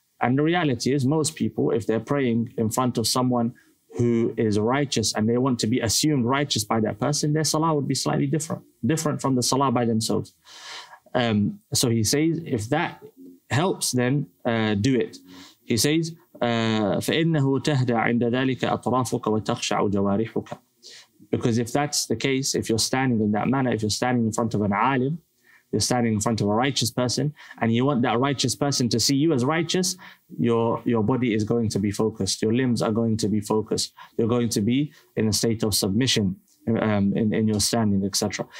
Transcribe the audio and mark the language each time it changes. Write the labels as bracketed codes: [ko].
[en] And the reality is, most people, if they're praying in front of someone who is righteous and they want to be assumed righteous by that person, their salah would be slightly different from the salah by themselves. So he says, if that helps, then do it. He says, [ar] فَإِنَّهُ تَهْدَى عِنْدَ ذَلِكَ أَطْرَافُكَ وَتَخْشَعُ جَوَارِحُكَ. [en] Because if that's the case, if you're standing in that manner, if you're standing in front of an alim, you're standing in front of a righteous person, and you want that righteous person to see you as righteous, your body is going to be focused, your limbs are going to be focused, you're going to be in a state of submission in your standing, etc.